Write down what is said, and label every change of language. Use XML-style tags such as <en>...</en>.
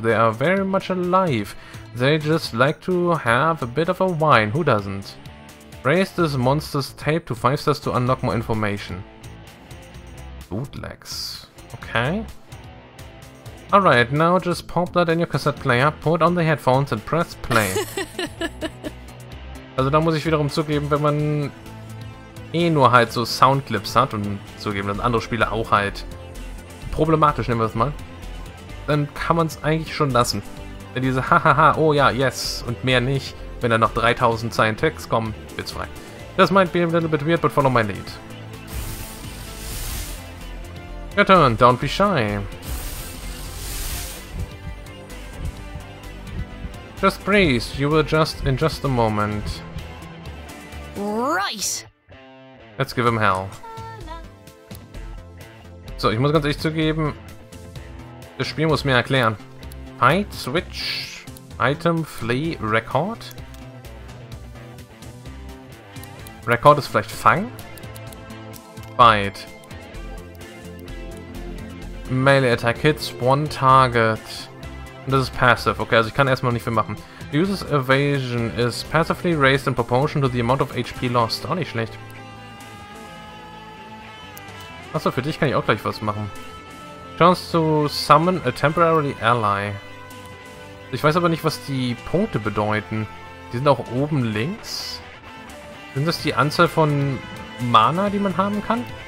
<en>They are very much alive. They just like to have a bit of a whine. Who doesn't? Raise this monster's tape to 5 stars to unlock more information. Bootlegs. Okay. Alright, now just pop that in your cassette player, put on the headphones and press play.</en> <de>Also da muss ich wiederum zugeben, wenn man eh nur halt so Soundclips hat und zugeben, dass andere Spiele auch halt problematisch, nehmen wir es mal, dann kann man es eigentlich schon lassen. Denn diese hahaha, oh ja, yes und mehr nicht, wenn da noch 3000 Zeilen Text kommen, wird's frei.</de> <en>Das might be a little bit weird, but follow my lead. Your turn, don't be shy. Just breathe, you will just in just a moment. Right! Let's give him hell.</en> <de>So, ich muss ganz ehrlich zugeben, das Spiel muss mir erklären.</de> <en>Fight, switch, item, flee, record?</en> <de>Record ist vielleicht Fang? Fight.</de> <en>Melee Attack hits one target.</en> <de>Und das ist passive. Okay, also ich kann erstmal nicht viel machen.</de> <en>The user's evasion is passively raised in proportion to the amount of HP lost.</en> <de>Auch nicht schlecht. Achso, für dich kann ich auch gleich was machen.</de> <en>Chance to summon a temporary ally.</en> <de>Ich weiß aber nicht, was die Punkte bedeuten. Die sind auch oben links. Sind das die Anzahl von Mana, die man haben kann?</de>